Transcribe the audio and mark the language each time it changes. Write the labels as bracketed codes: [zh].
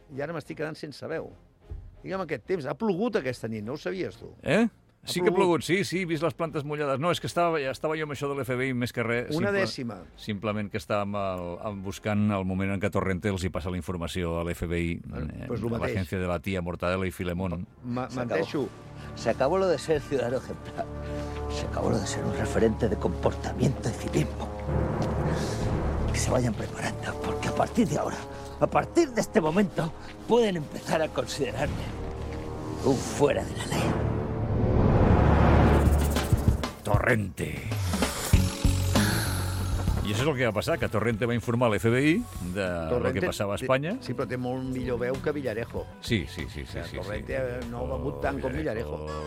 [ca] I ara m'estic quedant sense veu. Digue'm aquest temps. Ha plogut aquesta nit, no ho sabies, tu? Eh? Sí que ha plogut, sí, he vist les plantes mullades. No, és que estava jo amb això de l'FBI, més que res... Una dècima. Simplement que estàvem buscant el moment en què Torrente els hi passa la informació a l'FBI, a l'agència de la tia Mortadela i Filemón. M'enteixo. [es] Se acabó lo de ser ciudadano ejemplar. Se acabó lo de ser un referente de comportamiento y civismo. Que se vayan preparando, porque a partir de ahora... A partir de este momento, pueden empezar a considerarme un fuera de la ley. [ca] Torrente. I això és el que va passar, que Torrente va informar a l'FBI de Torrente, el que passava a Espanya. Sí, però té molt millor veu que Villarejo. Sí. O sigui, Torrente no ha begut tant com Villarejo.